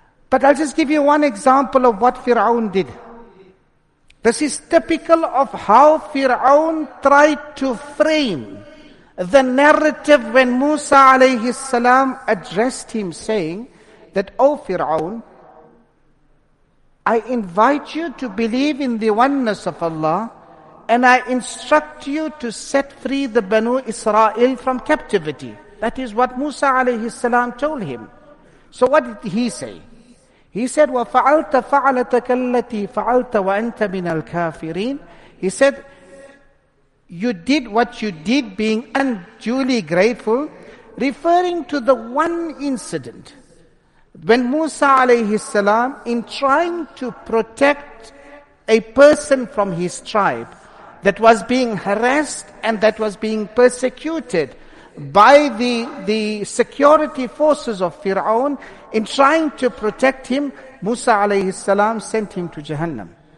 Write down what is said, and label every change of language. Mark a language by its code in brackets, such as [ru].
[en] But I'll just give you one example of what Fir'aun did. This is typical of how Fir'aun tried to frame the narrative when Musa alayhi salam addressed him, saying that, "O Fir'aun, I invite you to believe in the oneness of Allah, and I instruct you to set free the Banu Israel from captivity." That is what Musa alayhi salam told him. So what did he say? He said, [ar] وَفَعَلْتَ فَعَلَتَكَ الَّتِي فَعَلْتَ وَأَنْتَ مِنَ الْكَافِرِينَ. [en] He said, "You did what you did, being unduly grateful," referring to the one incident when Musa alayhi salam, in trying to protect a person from his tribe that was being harassed and that was being persecuted by the security forces of Fir'aun, in trying to protect him, Musa alayhi salam sent him to Jahannam.